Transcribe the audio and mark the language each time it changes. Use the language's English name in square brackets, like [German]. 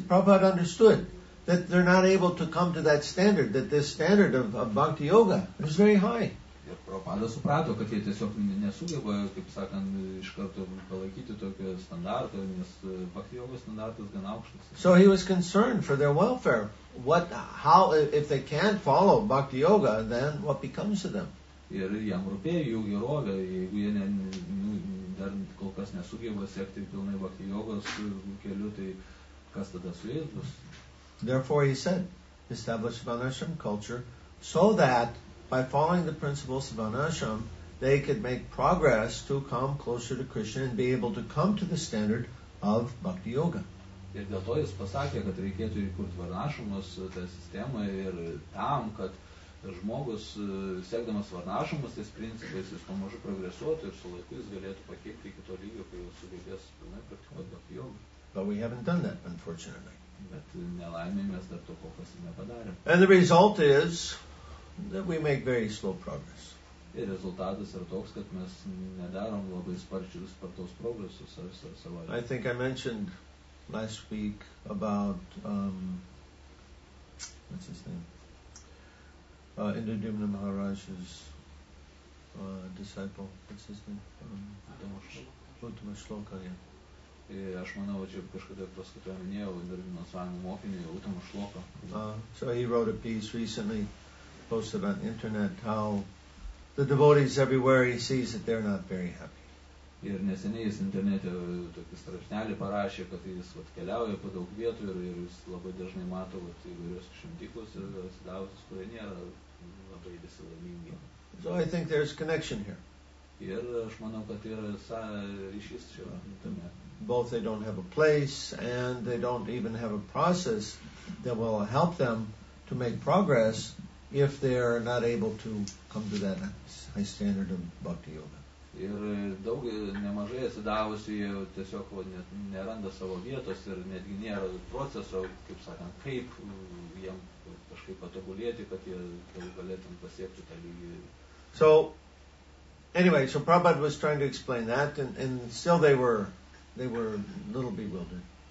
[English] Prabhupada understood that they're not able to come to that standard, that this standard of Bhakti Yoga is very high. [Lithuanian] Ir Prabhupada suprato, kad jie tiesiog nesugeba, kaip sakant, iš karto palaikyti tokio standartą, nes Bhakti Yoga standartas gan aukštas. [English] So he was concerned for their welfare. What, how, if they can't follow Bhakti Yoga, then what becomes of them? [Lithuanian] Ir jam rūpėjo jų gerovė, jeigu jie ne, dar kol kas nesugeba sekti pilnai Bhakti Yogos keliu, tai kas tada su jais bus? [English] Therefore he said, establish Vanashram culture so that by following the principles of Vanashram, they could make progress to come closer to Krishna and be able to come to the standard of Bhakti Yoga. [Lithuanian] Ir dėl to jis pasakė, kad reikėtų įkurti Vanashramus tą sistemą ir tam, kad žmogus, sekdamas Vanashramus tais principais, jis pamažu progresuotų ir su laiku jis galėtų pakeipti iki to lygio, kai jis sugebės pilnai praktikuoti Bhakti Yoga. [English] But we haven't done that, unfortunately. [Lithuanian] Bet nelaimė mes dar to kol kas nepadarėm. [English] And the result is that we make very slow progress. [Lithuanian] Ir rezultatas yra toks, kad mes nedarom labai spartaus progresus savo. [English] I think I mentioned last week about what's his name? Indradyumna Maharaj's disciple. What's his name? Uttama Shloka, yeah. [Lithuanian] Ir aš manau, čia kažkada paskutą minėjau Indradyumna Svami mokinį Uttama Shloka. [English] So he wrote a piece recently posted on the internet how the devotees everywhere he sees that they're not very happy. [Lithuanian] Ir neseniai jis internete tokį straipsnelį parašė, kad jis vat keliauja po daug vietų ir jis labai dažnai mato vat įvairius šimtikus ir atsidavusius, kurie nėra labai visi laimingi. [English] So I think there's connection here. [Lithuanian] Ir aš manau, kad yra ryšys čia tame. [English] Both they don't have a place and they don't even have a process that will help them to make progress if they are not able to come to that high standard of Bhakti Yoga. [Lithuanian] Ir daug nemažai atsidavusių tiesiog neranda savo vietos ir netgi nėra proceso, kaip sakant, kaip jam kažkaip patobulėti, kad jie galėtum pasiekti tą lygį. [English] So, anyway, so Prabhupada was trying to explain that and still they were a little bewildered.